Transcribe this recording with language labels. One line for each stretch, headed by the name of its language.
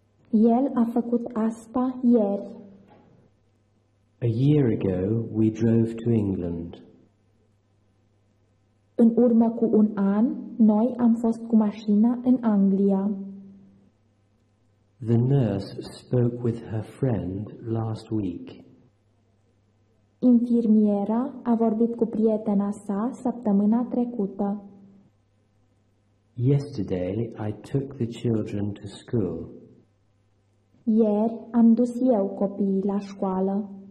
Romanian: El a făcut asta ieri.
English: A year ago, we drove to England.
Romanian: În urmă cu un an, noi am fost cu mașina în Anglia.
English: The nurse spoke with her friend last week.
Romanian: Infirmiera a vorbit cu prietena sa săptămâna trecută.
English: Yesterday I took the children to school.
Romanian: Ieri am dus eu copiii la școală.